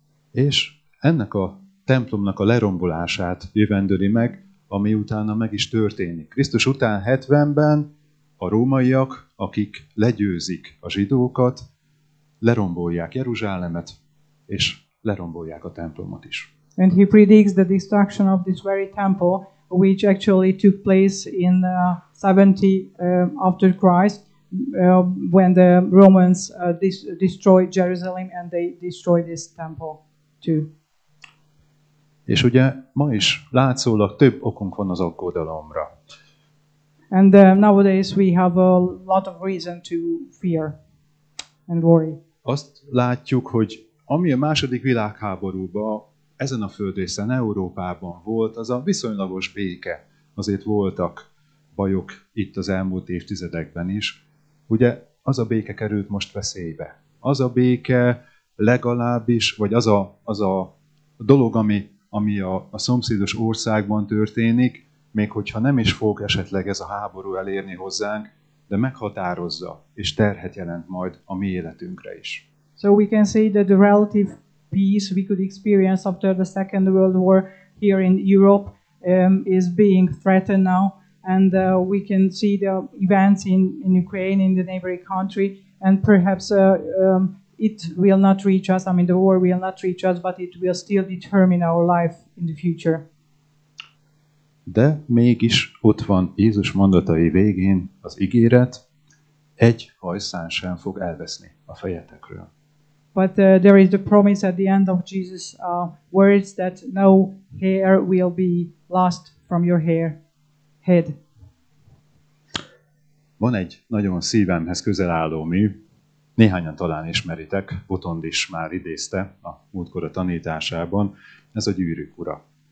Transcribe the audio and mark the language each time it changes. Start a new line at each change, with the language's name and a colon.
Hungarian: És ennek a templomnak a lerombolását jövendőli meg, ami utána meg is történik. Krisztus után 70-ben a rómaiak, akik legyőzik a zsidókat, lerombolják Jeruzsálemet, és lerombolják a templomot is.
English: And he predicts the destruction of this very temple, which actually took place in 70 after Christ, when the Romans destroyed Jerusalem and they destroyed this temple too.
Hungarian: És ugye ma is látszólag több okunk van az aggodalomra.
English: And nowadays we have a lot of reason to fear and worry.
Hungarian: Azt látjuk, hogy ami a második világháborúban ezen a földrészen Európában volt, az a viszonylagos béke. Azért voltak bajok itt az elmúlt évtizedekben is. Ugye az a béke került most veszélybe. Az a béke legalábbis, vagy az a dolog, ami a szomszédos országban történik, még hogyha nem is fog esetleg ez a háború elérni hozzánk, de meghatározza és terhet jelent majd a mi életünkre is.
English: So we can say that the relative peace we could experience after the Second World War here in Europe is being threatened now, and we can see the events in Ukraine, in the neighboring country, and perhaps it will not reach us. I mean, the war will not reach us, but it will still determine our life in the future.
Hungarian: De mégis ott van Jézus mondatai végén az ígéret, egy hajszán sem fog elveszni a fejetekről.
English: But there is the promise at the end of Jesus' words that no hair will be lost from your head.
Hungarian: Van egy nagyon szívemhez közel álló mű, Néhányan talán ismeritek, Botond is már idézte a múltkor a tanításában, ez a gyűrűk ura.